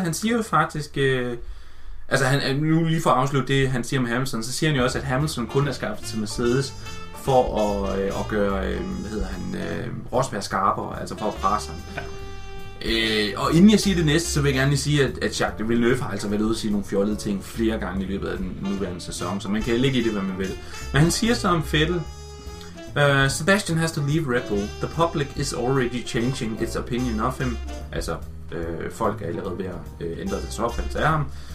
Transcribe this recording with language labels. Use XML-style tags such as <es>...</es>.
<da>Han siger jo faktisk... altså, han, nu lige for at afslutte det, han siger om Hamilton, så siger han jo også, at Hamilton kun er skaffet til Mercedes for at gøre, Rosberg skarpere, altså for at presse ham. Ja. Og inden jeg siger det næste, så vil jeg gerne lige sige, at Jacques Villeneuve har altså været ude at sige nogle fjollede ting flere gange i løbet af den nuværende sæson, så man kan ligge i det, hvad man vil. Men han siger så om Vettel,</da> <en>Sebastian has to leave Red Bull. The public is already changing its opinion of him.</en> <da>Altså, folk er allerede ved at ændre deres opfattelse af ham.</da>